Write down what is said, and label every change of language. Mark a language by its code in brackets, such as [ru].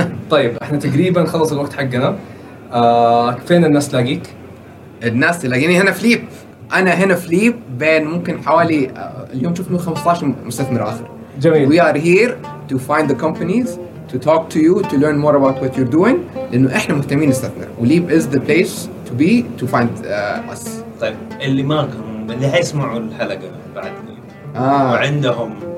[ar] طيب احنا تقريبا خلص الوقت حقنا فين الناس تلاقيك الناس تلاقيني هنا فليب انا هنا فليب بين ممكن حوالي اليوم شفنا 15 مستثمر اخر جميل [en] we are here to find the companies to talk to you to learn more about what you're doing [ar] لانه احنا مهتمين نستثمر وليب [en] is the place to be to find us [ar] طيب اللي ماكم اللي حيسمعوا الحلقه بعد وعندهم